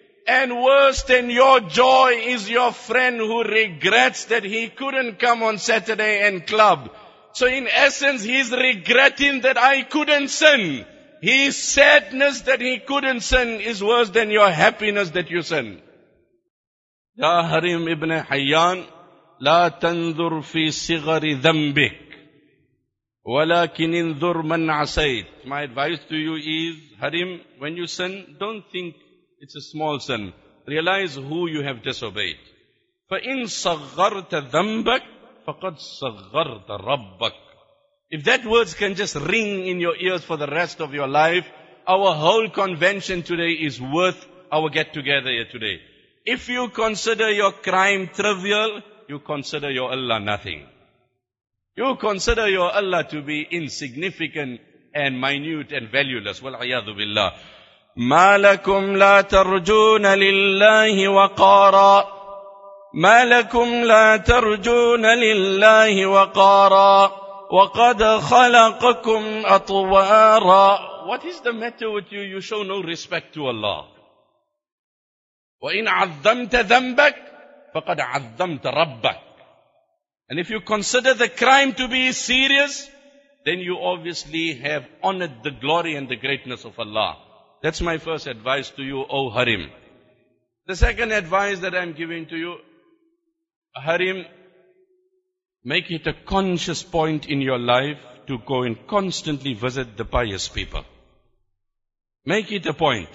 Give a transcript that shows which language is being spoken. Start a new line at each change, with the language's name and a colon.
English: And worse than your joy is your friend who regrets that he couldn't come on Saturday and club. So in essence, he's regretting that I couldn't sin. His sadness that he couldn't sin is worse than your happiness that you sin.
Arabic: Ya Harim ibn Hayyan, لا تنظر في صغر ذنبك ولكن انذر من عصيت.
English: My advice to you is, Harim, when you sin, don't think it's a small sin. Realize who you have disobeyed.
Arabic: فَإِن صَغَّرْتَ ذَنْبَكَ فَقَدْ صَغَّرْتَ رَبَّكَ.
English: If that words can just ring in your ears for the rest of your life, our whole convention today is worth our get together here today. If you consider your crime trivial, you consider your Allah nothing. You consider your Allah to be insignificant and minute and valueless.
Arabic: وَالْعِيَاذُ بِاللَّهِ. مَا لَكُمْ لَا تَرْجُونَ لِلَّهِ وَقَارًا. ما لكم لا ترجون لله وقارا وقد خلقكم أطوارا.
English: What is the matter with you? You show no respect to Allah.
Arabic: وإن عظمت ذنبك فقد عظمت ربك.
English: And if you consider the crime to be serious, then you obviously have honored the glory and the greatness of Allah. That's my first advice to you, O Harim. The second advice that I'm giving to you, Harim, make it a conscious point in your life to go and constantly visit the pious people. Make it a point.